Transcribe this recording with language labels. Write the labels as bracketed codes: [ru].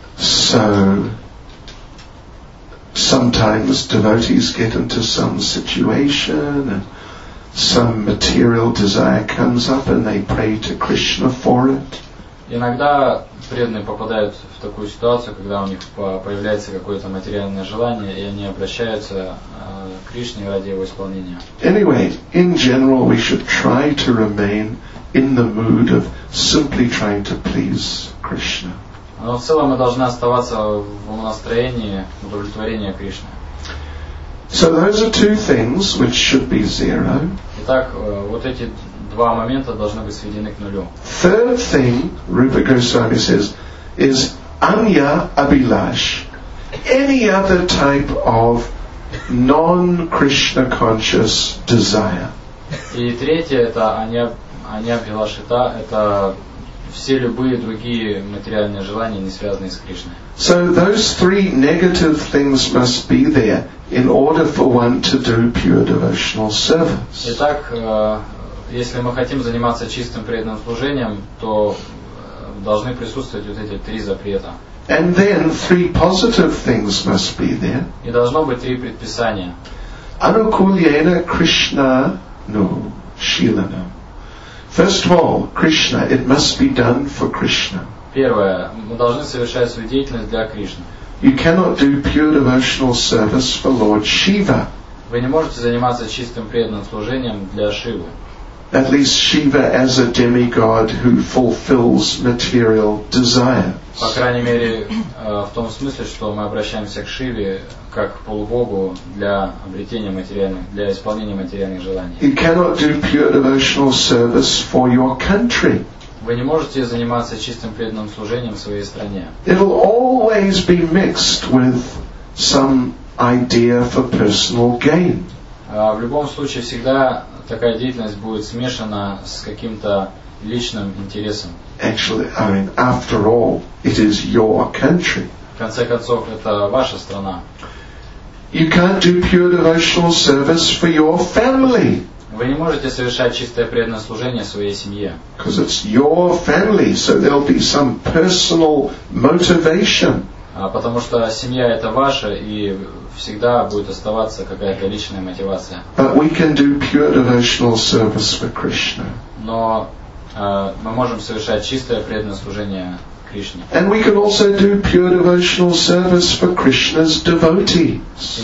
[en] So sometimes devotees get into some situation and some material desire comes up and they pray to Krishna for it. [ru] Иногда преданные попадают в такую ситуацию, когда у них появляется какое-то материальное желание, и они обращаются к Кришне ради его исполнения. [en] Anyway, in general, we should try to remain in the mood of simply trying to please Krishna. [ru] Но в целом мы должны оставаться в настроении удовлетворения Кришны. [en] So those are two things which should be zero. [ru] Итак, вот эти два момента должны быть сведены к нулю. [en] Third thing, Rupa Goswami says, is anya abhilash, any other type of non-Krishna conscious desire. [ru] И третье это anya abhilash, это все любые другие материальные желания, не связанные с Кришной. [en] So those three negative things must be there in order for one to do pure devotional service. [ru] Итак, если мы хотим заниматься чистым преданным служением, то должны присутствовать вот эти три запрета. [en] And then three positive things must be there. [ru] И должно быть три предписания. [sa] Anukulyena Krishna no Shilana. [en] First of all, Krishna, it must be done for Krishna. [ru] Первое, мы должны совершать свою деятельность для Кришны. [en] You cannot do pure devotional service for Lord Shiva. [ru] Вы не можете заниматься чистым преданным служением для Шивы. [en] At least Shiva as a demigod who fulfills material desires. [ru] По крайней мере, в том смысле, что мы обращаемся к Шиве как к полубогу для обретения материальных, для исполнения материальных желаний. [en] You cannot do pure devotional service for your country. [ru] Вы не можете заниматься чистым преданным служением в своей стране. [en] It will always be mixed with some idea for personal gain. [ru] В любом случае, всегда такая деятельность будет смешана с каким-то личным интересам. [en] Actually, I mean, after all, it is your country. [ru] В конце концов, это ваша страна. [en] You can't do pure devotional service for your family. [ru] Вы не можете совершать чистое преданное служение своей семье. [en] Because it's your family, so there'll be some personal motivation. [ru] Потому что семья это ваша, и всегда будет оставаться какая-то личная мотивация. [en] But we can do pure devotional service for Krishna. [ru] Но мы можем совершать чистое преданное служение Кришне. [en] And we can also do pure devotional service for Krishna's devotees.